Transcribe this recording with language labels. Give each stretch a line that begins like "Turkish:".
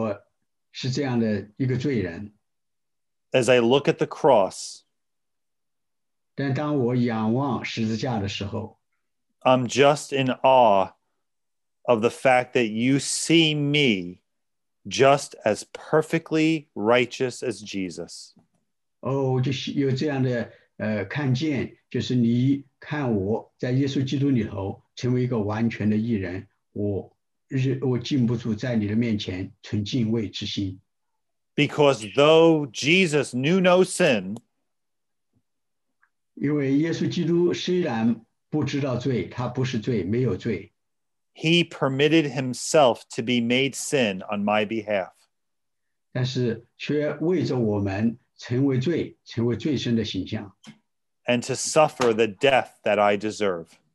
Chinese: 尽管我是这样的一个罪人,
English: as I look at the cross,
Chinese: 但当我仰望十字架的时候,
English: I'm just in awe of the fact that you see me just as perfectly righteous as Jesus.
Chinese: Oh, 就是有这样的看见，就是你看我在耶稣基督里头成为一个完全的义人，我禁不住在你的面前存敬畏之心。
English: Because though Jesus knew no sin,
Chinese: 因为耶稣基督虽然 不知道罪,他不是罪,没有罪。
English: He permitted himself to be made sin on my behalf.
Chinese: 但是却为着我们成为罪,成为罪身的形象。
English: And to suffer the death that I deserve.